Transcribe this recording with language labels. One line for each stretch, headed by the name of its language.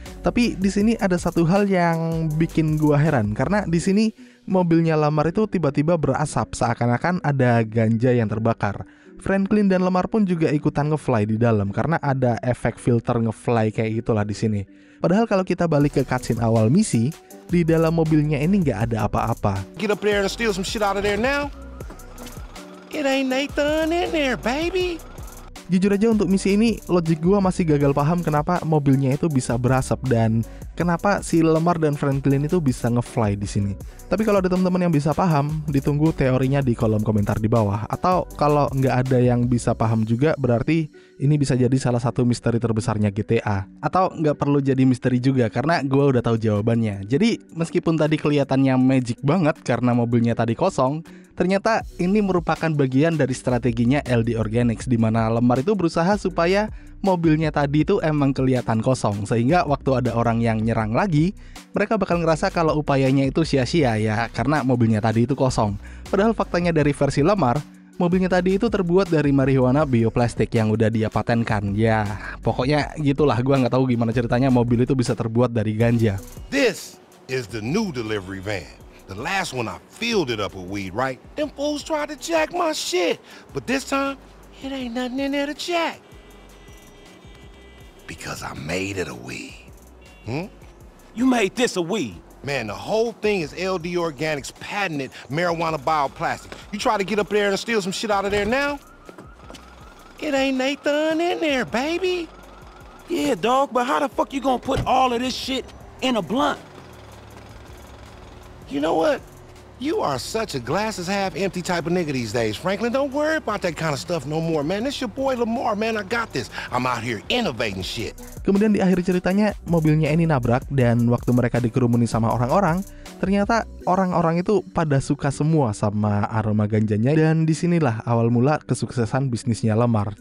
Indonesian: Tapi di sini ada satu hal yang bikin gua heran, karena di sini mobilnya Lamar itu tiba-tiba berasap, seakan-akan ada ganja yang terbakar. Franklin dan Lamar pun juga ikutan ngefly di dalam, karena ada efek filter ngefly kayak gitulah di sini. Padahal kalau kita balik ke cutscene awal misi, di dalam mobilnya ini nggak ada apa-apa.
English: Get up there and steal some shit out of there now. It ain't Nathan in there, baby.
Indonesian: Jujur aja untuk misi ini, logik gue masih gagal paham kenapa mobilnya itu bisa berasap dan kenapa si Lemar dan Franklin itu bisa ngefly di sini. Tapi kalau ada teman-teman yang bisa paham, ditunggu teorinya di kolom komentar di bawah. Atau kalau nggak ada yang bisa paham juga, berarti ini bisa jadi salah satu misteri terbesarnya GTA. Atau nggak perlu jadi misteri juga, karena gue udah tahu jawabannya. Jadi, meskipun tadi kelihatannya magic banget karena mobilnya tadi kosong, ternyata ini merupakan bagian dari strateginya LD Organics, di mana Lemar itu berusaha supaya mobilnya tadi itu emang kelihatan kosong, sehingga waktu ada orang yang nyerang lagi, mereka bakal ngerasa kalau upayanya itu sia-sia ya, karena mobilnya tadi itu kosong. Padahal faktanya dari versi Lemar, mobilnya tadi itu terbuat dari marijuana bioplastik yang udah dia patenkan. Ya, pokoknya gitulah, gua nggak tahu gimana ceritanya mobil itu bisa terbuat dari ganja.
English: This is the new delivery van. The last one I filled it up with weed, right? Them fools tried to jack my shit. But this time, it ain't nothing in there to jack. Because I made it a weed. Hmm? You made this a weed? Man, the whole thing is LD Organics patented marijuana bioplastic. You try to get up there and steal some shit out of there now? It ain't Nathan in there, baby. Yeah, dog, but how the fuck you gonna put all of this shit in a blunt? You know what? You are such a glasses half empty type of nigga these days, Franklin. Don't worry about that kind of stuff no more, man. This your boy Lamar, man. I got this. I'm out here innovating shit.
Indonesian: Kemudian di akhir ceritanya, mobilnya ini nabrak dan waktu mereka dikerumuni sama orang-orang, ternyata orang-orang itu pada suka semua sama aroma ganjanya dan disinilah awal mula kesuksesan bisnisnya Lamar.